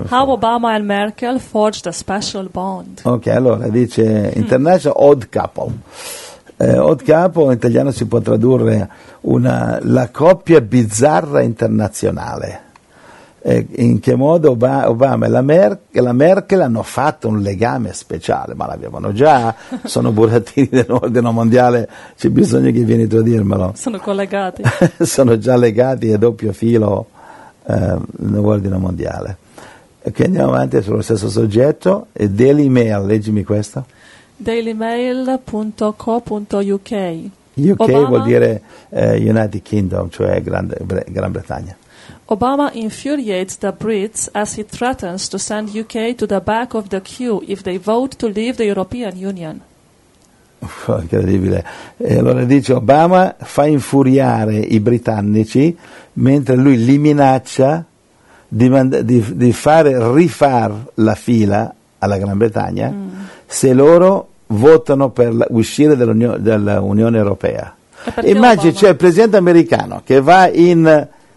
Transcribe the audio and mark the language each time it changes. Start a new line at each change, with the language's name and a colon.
English: How Obama and Merkel forged a special bond.
Italian: Ok, allora dice
English: International Odd Couple.
Italian: Odd Couple in italiano si può tradurre la coppia bizzarra internazionale. In che modo Obama e la Merkel hanno fatto un legame speciale, ma l'avevano già, sono burattini dell'ordine mondiale, c'è bisogno che vieni tu a dirmelo. Sono collegati. Sono già legati a doppio filo nell'ordine mondiale. Ok, andiamo avanti sullo stesso soggetto, e Daily Mail, leggimi questo. dailymail.co.uk. UK Obama vuol dire United Kingdom, cioè Gran Bretagna.
English: Obama infuriates the Brits as he threatens to send UK to the back of the queue if they vote to leave the European Union.
Italian: Incredibile. Allora dice Obama fa infuriare i britannici mentre lui li minaccia di fare rifar la fila alla Gran Bretagna se loro votano per uscire dall'Unione Europea. Immagini, c'è il presidente americano che va in